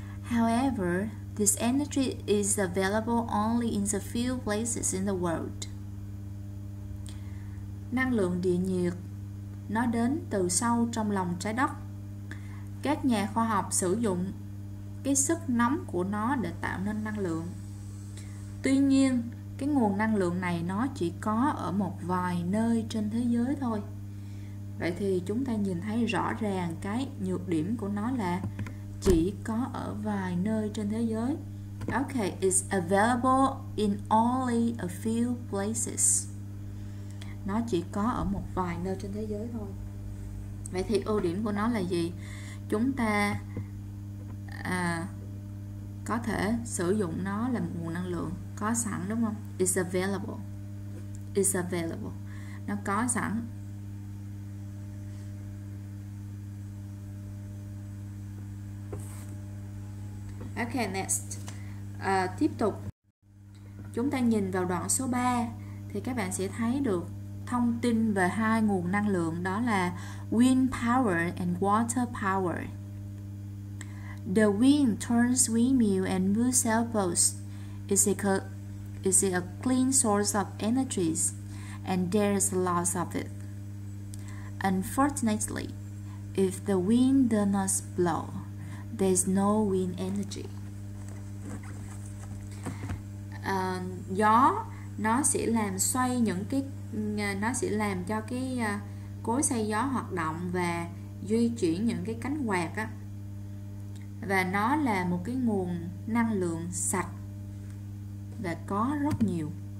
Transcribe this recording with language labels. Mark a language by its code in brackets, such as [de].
[en] However, this energy is available only in a few places in the world. [vi] Năng lượng địa nhiệt nó đến từ sâu trong lòng trái đất. Các nhà khoa học sử dụng cái sức nóng của nó để tạo nên năng lượng. Tuy nhiên, cái nguồn năng lượng này nó chỉ có ở một vài nơi trên thế giới thôi. Vậy thì chúng ta nhìn thấy rõ ràng cái nhược điểm của nó là chỉ có ở vài nơi trên thế giới. [en] Okay, it's available in only a few places. [vi] Nó chỉ có ở một vài nơi trên thế giới thôi. Vậy thì ưu điểm của nó là gì? Chúng ta có thể sử dụng nó làm nguồn năng lượng có sẵn, đúng không? [en] It's available. [vi] Nó có sẵn. [en] Okay, next. [vi] Tiếp tục. Chúng ta nhìn vào đoạn số 3 thì các bạn sẽ thấy được thông tin về hai nguồn năng lượng, đó là [en] wind power and water power. The wind turns windmill and moves sailboats. Is it a clean source of energy? And there's a lot of it. Unfortunately, if the wind does not blow, there's no wind energy. [vi] Gió nó sẽ làm xoay những cái, nó sẽ làm cho cái cối xay gió hoạt động và duy chuyển những cái cánh quạt á. Và nó là một cái nguồn năng lượng sạch và có rất nhiều.